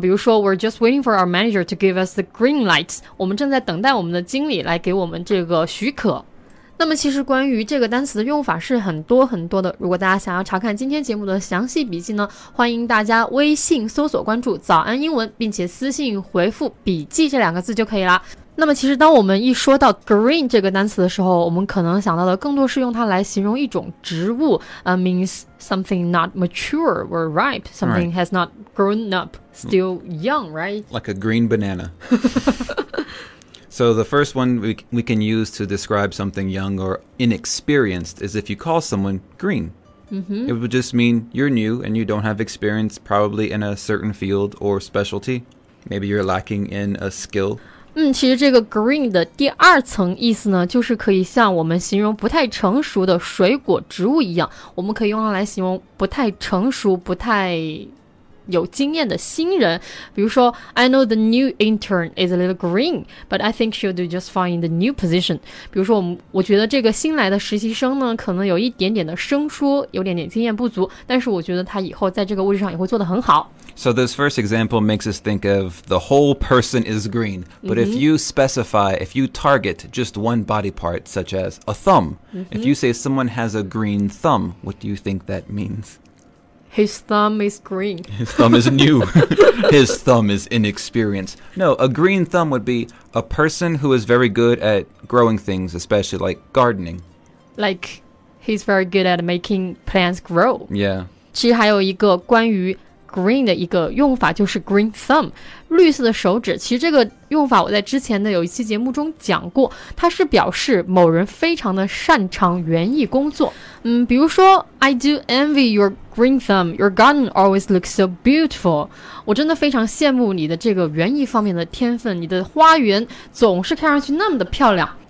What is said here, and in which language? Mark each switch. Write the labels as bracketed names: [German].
[Chinese] 比如说 [English] we're just waiting for our manager to give us the green light. [Chinese] 我们正在等待我们的经理来给我们这个许可。那么其实关于这个单词的用法是很多很多的，如果大家想要查看今天节目的详细笔记呢，欢迎大家微信搜索关注早安英文，并且私信回复笔记这两个字就可以了。那么其实当我们一说到 green 这个单词的时候，我们可能想到的更多是用它来形容一种植物、 [English] means something not mature or ripe, something has not grown up, still young, right? Like a green banana. So the first one we can use to describe something young or inexperienced is if you call someone green. It would just mean you're new and you don't have experience probably in a certain field or specialty. Maybe you're lacking in a skill. [Chinese] 其实这个 green 的第二层意思呢，就是可以像我们形容不太成熟的水果植物一样，我们可以用它来形容不太成熟、不太有经验的新人。比如说 [English] I know the new intern is a little green, but I think she'll do just fine in the new position. [Chinese] 比如说我觉得这个新来的实习生呢，可能有一点点的生疏，有点点经验不足，但是我觉得他以后在这个位置上也会做得很好。 [English] So this first example makes us think of the whole person is green, but if you specify, if you target just one body part, such as a thumb, if you say someone has a green thumb, what do you think that means? His thumb is green. His thumb is new. His thumb is inexperienced. No, a green thumb would be a person who is very good at growing things, especially like gardening. Like he's very good at making plants grow. Yeah. [Chinese] 其实还有一个关于green 的一个用法就是 green thumb, 绿色的手指。其实这个用法我在之前的有一期节目中讲过，它是表示某人非常的擅长园艺工作。比如说 [English] I do envy your green thumb, your garden always looks so beautiful. [Chinese] 我真的非常羡慕你的这个园艺方面的天分，你的花园总是看上去那么的漂亮。